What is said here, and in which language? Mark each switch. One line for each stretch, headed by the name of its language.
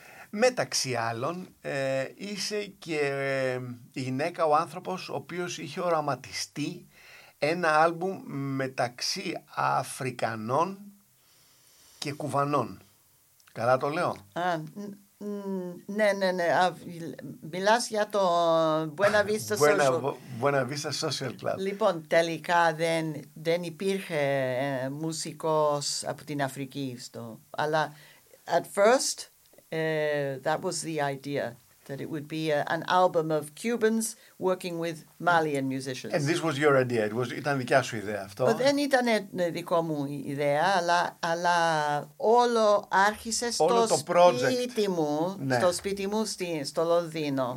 Greek: Μεταξύ άλλων, είσαι και η γυναίκα, ο άνθρωπος, ο οποίος είχε οραματιστεί ένα άλμπουμ μεταξύ Αφρικανών και Κουβανών. Καλά το λέω? Α, Ναι, ναι, ναι. Μιλάς για το Buena Vista Social Club. Buena Vista Social Club. Λοιπόν, τελικά δεν υπήρχε μουσικός από την Αφρική. Αλλά
English: at first, that was the idea, that it would be an album of Cubans working with Malian musicians. And this was your idea.
Greek: Ήταν δικιά σου ιδέα αυτό.
English: Well,
Greek: δεν ήταν δικό μου ιδέα, αλλά όλο άρχισε στο σπίτι μου, ναι. Στο σπίτι μου στο Λονδίνο.